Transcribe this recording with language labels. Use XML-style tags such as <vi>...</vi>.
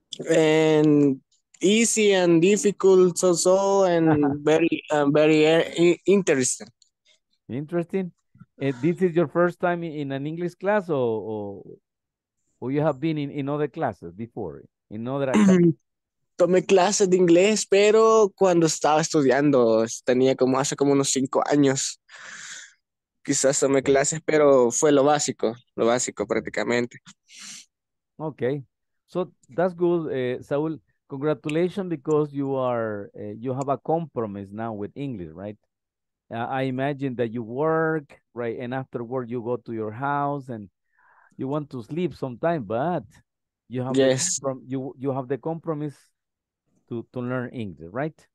<en>And easy and difficult, so and very interesting. Interesting. This is your first time in an English class, or you have been in other classes before, in other</en> <es>Tomé clases de inglés, pero cuando estaba estudiando, tenía como hace como unos 5 años. Quizás tomé clases, pero fue lo básico prácticamente.</es> <en>Okay, so that's good, Saul. Congratulations because you have a compromise now with English, right? I imagine that you work, right? And after work, you go to your house and you want to sleep sometime, but you have you have the compromise to learn English, right?</en>